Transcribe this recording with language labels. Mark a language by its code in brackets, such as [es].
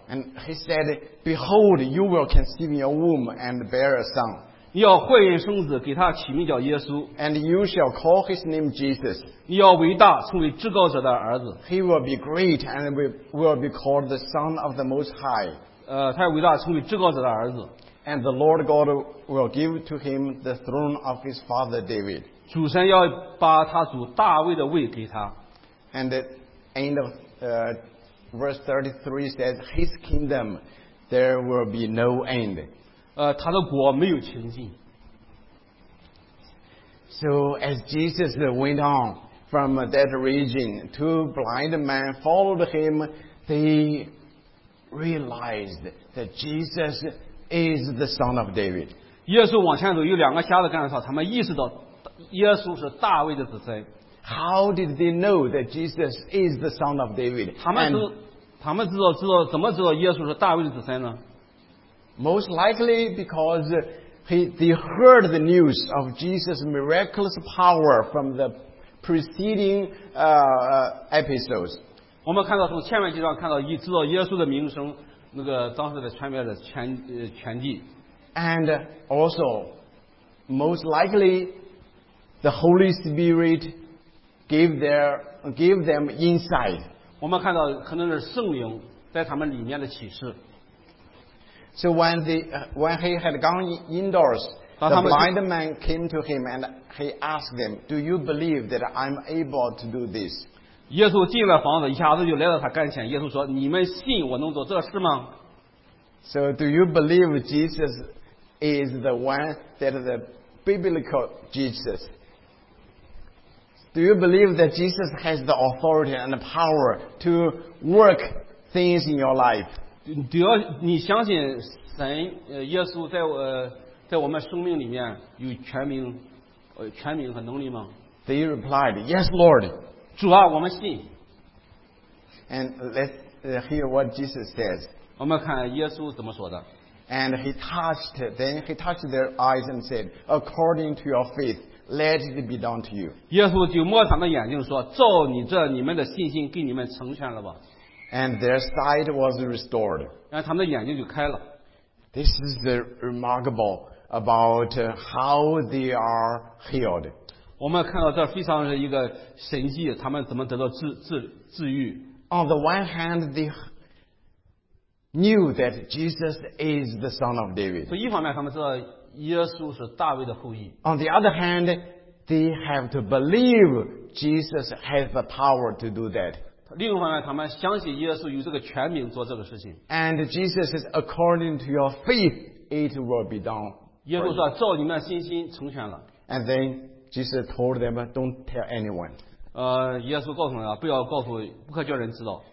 [en] ，And he said, "Behold, you will conceive in your womb and bear a son." [zh] 你要怀孕生子，给他起名叫耶稣。 [en] And you shall call his name Jesus. [zh] 你要伟大，称为至高者的儿子。 [en] He will be great and will be called the Son of the Most High. [zh] 他伟大，称为至高者的儿子。 [en] And the Lord God will give to him the throne of his father David. [zh] 主神要把他主大卫的位给他。 [en] And the end of verse 33 says, His kingdom, there will be no end. [zh] 他的国没有穷尽。 [en] So as Jesus went on from that region, two blind men followed him, they realized that Jesus is the son of David. [zh] 耶稣往前走，有两个瞎子跟着他，他们意识到耶稣是大卫的子孙。 [en] How did they know that Jesus is the son of David? [zh] 他们知道怎么知道耶稣是大卫的子孙呢？ [en] Most likely because they heard the news of Jesus' miraculous power from the preceding episodes. [zh] 我们看到从前面几章看到，知道耶稣的名声，那个当时的传遍了全地。 [en] And also, most likely, the Holy Spirit gave them insight. [zh] 我们看到可能是圣灵在他们里面的启示。 [en] So when he had gone indoors, the blind man came to him and he asked them, "Do you believe that I'm able to do this?" [zh] 耶稣进了房子，一下子就来到他跟前。耶稣说：“你们信我能做这事吗？” [en] So do you believe Jesus is the one that the biblical Jesus? Do you believe that Jesus has the authority and the power to work things in your life? [zh] 只要你相信神，耶稣在我们生命里面有权柄和能力吗？ [en] They replied, "Yes, Lord." [zh] 主啊，我们信。 [en] And let's hear what Jesus says. [zh] 我们看耶稣怎么说的。 [en] And he touched their eyes and said, "According to your faith, let it be done to you." [zh] 耶稣就摸他们眼睛说：“照你这你们的信心，给你们成全了吧。” [en] And their sight was restored. [zh] 然后他们的眼睛就开了。 [en] This is the remarkable about how they are healed. [zh] 我们看到这非常是一个神迹，他们怎么得到治愈。 [en] On the one hand, they knew that Jesus is the son of David. [zh] 所以一方面他们知道耶稣是大卫的后裔。 [en] On the other hand, they have to believe Jesus has the power to do that. [zh] 另一方面，他们相信耶稣有这个权柄做这个事情。 [en] And Jesus says, "According to your faith, it will be done." [zh] 耶稣说：“照你们信心成全了。 [en] ”And then Jesus told them, "Don't tell anyone." [zh] 耶稣告诉他们，不要告诉，不可叫人知道。